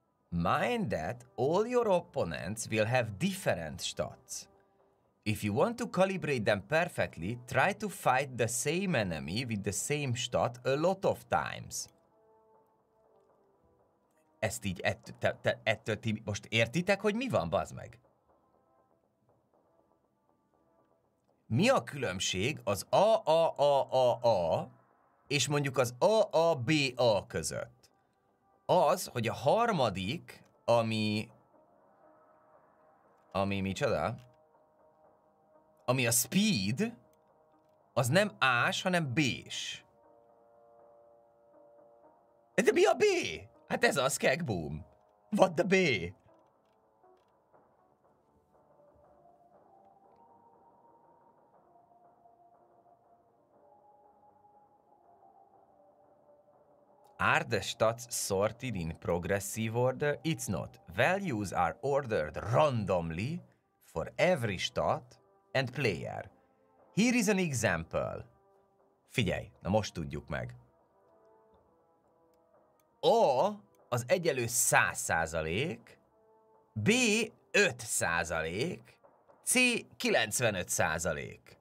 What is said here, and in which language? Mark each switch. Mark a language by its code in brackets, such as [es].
[en] Mind that all your opponents will have different stats. If you want to calibrate them perfectly, try to fight the same enemy with the same stat a lot of times. [hu] Ezt így ettől ti most értitek, hogy mi van, bazd meg? Mi a különbség az A és mondjuk az A között? Az, hogy a harmadik, ami micsoda? Ami a speed, az nem A-s, hanem B-s. De mi a B? Hát ez az, kegboom. [en] What the B? Are the stats sorted in progressive order? It's not. Values are ordered randomly for every stat and player. Here is an example. [hu] Figyelj, na most tudjuk meg. A az egyelő 100%, B 5%, C 95%.